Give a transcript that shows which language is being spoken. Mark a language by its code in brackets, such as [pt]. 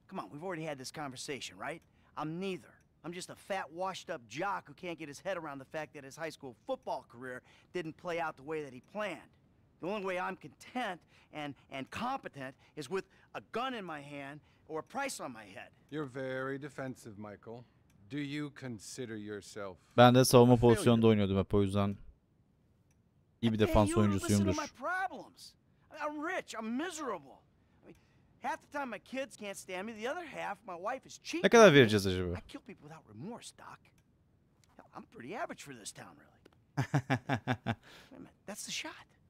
[en] Come on, we've already had this conversation, right? I'm neither. I'm just a fat, washed-up jock who can't get his head around the fact that his high school football career didn't play out the way that he planned. The only way I'm content and competent is with a gun in my hand or a price on my head. You're very defensive, Michael. Do you consider yourself? [tr] Ben de savunma pozisyonunda oynuyordum hep, o yüzden iyi bir defans oyuncusuyumdur. [en] I'm rich. I'm miserable. Half the time my kids can't stand me, the other half my wife is cheating. [tr] Ne kadar vereceğiz acaba? [en] I kill people without remorse, doc. I'm pretty average for this town, really. Wait a minute, that's the shot.